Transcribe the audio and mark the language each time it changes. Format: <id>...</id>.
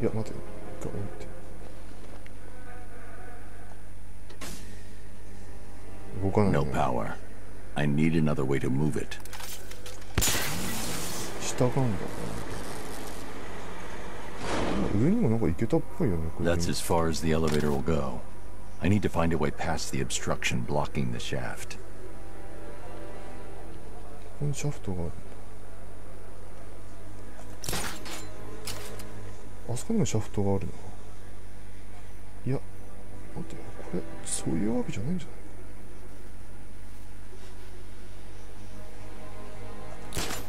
<ja>いや待て、一回置いて。動かないね。</ja> <en>No power. I need another way to move it.</en> <ja>下がんだかな。上にもなんか行けたっぽいよね。</ja> <en>That's as far as the elevator will go. I need to find a way past the obstruction blocking the shaft.</en> <ja>ここにシャフトがある。あそこにもシャフトがあるな。いや待てよ、これそういうわけじゃないんじゃない。</ja>